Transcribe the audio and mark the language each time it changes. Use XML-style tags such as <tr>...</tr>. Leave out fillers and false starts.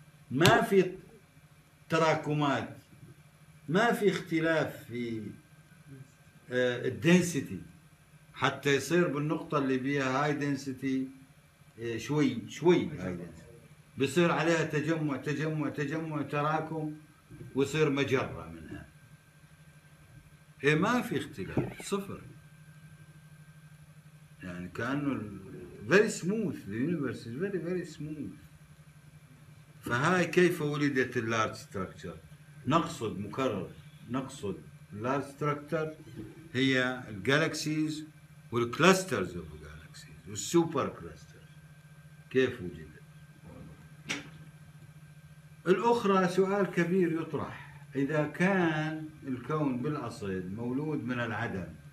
<ar>ما في تراكمات ما في اختلاف في الدنسيتي حتى يصير بالنقطة اللي بيها هاي دنسيتي شوي شوي بيصير عليها تجمع تجمع تجمع تراكم ويصير مجرة منها. هي ما في اختلاف صفر يعني، كأنه</ar> <en>very smooth the universe is very very smooth.</en> <ar>فهاي كيف ولدت اللارج ستراكتر؟ نقصد مكرر، نقصد اللارج ستراكتر هي الجالكسيز والكلاسترز اوف جالكسيز والسوبر كلاسترز. كيف وجد الأخرى؟ سؤال كبير يطرح، إذا كان الكون بالأصل مولود من العدم،</ar>